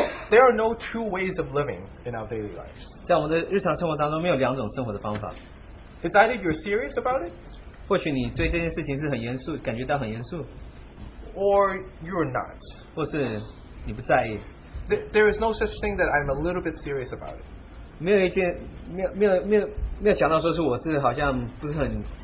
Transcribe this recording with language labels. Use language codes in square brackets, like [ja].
[en] there are no two ways of living in our daily lives， [zh] 在我们的日常生活当中没有两种生活的方法。 [en] It's either you're serious about it， [zh] 或许你对这件事情是很严肃，感觉到很严肃， [en] or you're not， [zh] 或是你不在意。 [en] There is no such thing that I'm a little bit serious about it. [zh] 没有讲到说是我是好像不是很